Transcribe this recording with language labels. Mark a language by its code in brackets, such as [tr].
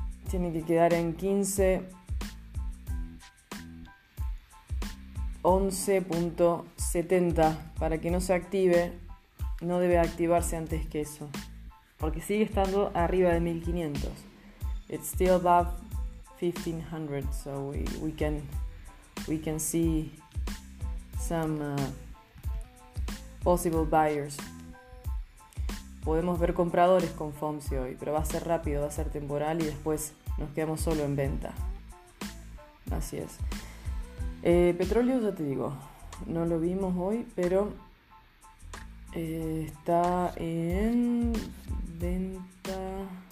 [es] Tiene que quedar en 15, 11.70 para que no se active. No debe activarse antes que eso, porque sigue estando arriba de 1500. [en] It's still above 1500, so we can see some possible buyers. [es] Podemos ver compradores con FOMC hoy, pero va a ser rápido, va a ser temporal y después nos quedamos solo en venta. Así es. Petróleo, ya te digo, no lo vimos hoy, pero está en venta.